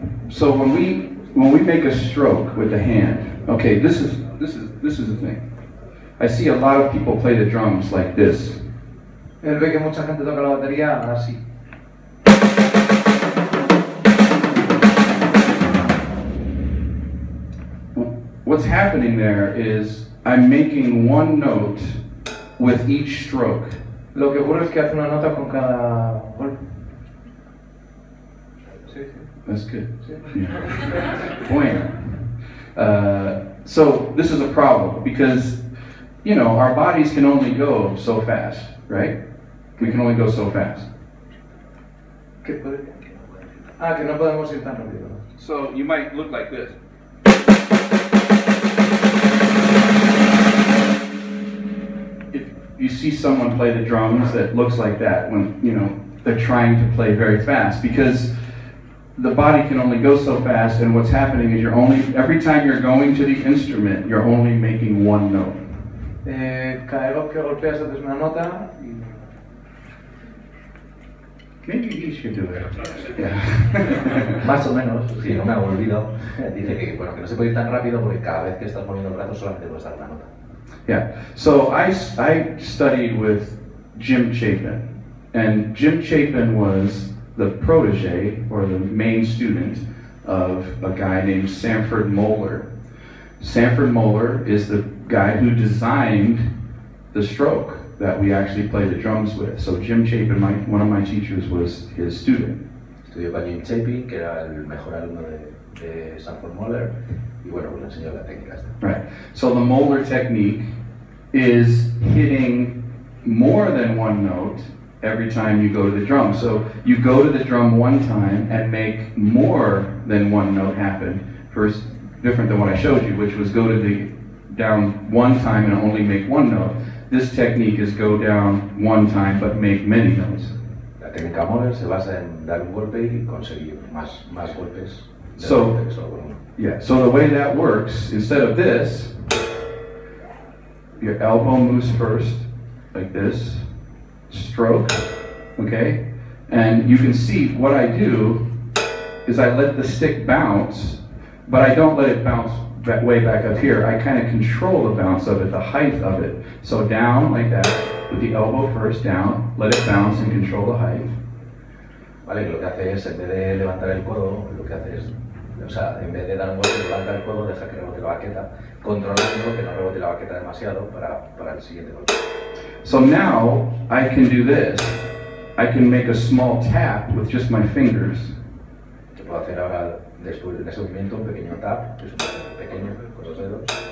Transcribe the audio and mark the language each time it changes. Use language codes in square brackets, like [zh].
[en] So when we make a stroke with the hand, okay, this is the thing. I see a lot of people play the drums like this. [es] Él ve que mucha gente toca la batería así. [en] What's happening there is I'm making one note with each stroke. [es] Lo que ocurre es que hace una nota con cada golpe. [en] That's good. Yeah. [es] Bueno. [en] So this is a problem because, you know, our bodies can only go so fast, right? We can only go so fast. [es] Ah, que no podemos ir tan rápido. [en] So you might look like this. If you see someone play the drums that looks like that when, you know, they're trying to play very fast because the body can only go so fast, and what's happening is you're only, every time you're going to the instrument, you're only making one note. [es] Cada vez que golpeas haces una nota. [en] Maybe you should do it. Yeah. [es] Más o menos, sí, no me hago olvido. Dice que, bueno, que no se puede ir tan rápido porque cada vez que estás poniendo el brazo solamente puedes dar una nota. [en] Yeah, so I studied with Jim Chapin, and Jim Chapin was the protege, or the main student, of a guy named Sanford Moeller. Sanford Moeller is the guy who designed the stroke that we actually play the drums with. So Jim Chapin, one of my teachers, was his student. [es] Estudió con Jim Chapin, que era el mejor alumno de Sanford Moeller, y bueno, pues le enseñó la técnica esta. [en] Right. So the Moeller technique is hitting more than one note every time you go to the drum. So you go to the drum one time and make more than one note happen. First, different than what I showed you, which was go to the down one time and only make one note. This technique is go down one time but make many notes. [es] La técnica Moeller se basa en dar un golpe y conseguir más golpes. [en] So, yeah, so the way that works, instead of this, your elbow moves first, like this. Stroke, okay, and you can see what I do is I let the stick bounce, but I don't let it bounce that way back up here. I kind of control the bounce of it, the height of it. So down like that, with the elbow first down, let it bounce and control the height. [es] Vale, lo que hace es en vez de levantar el codo, lo que hace es, o sea, en vez de dar un golpe, levanta el codo, deja que rebote la baqueta, controlando que no rebote la baqueta demasiado para el siguiente golpe. [en] So now I can do this. I can make a small tap with just my fingers. [es] Yo puedo hacer ahora después de ese movimiento un pequeño tap, que es un pequeño con los dedos.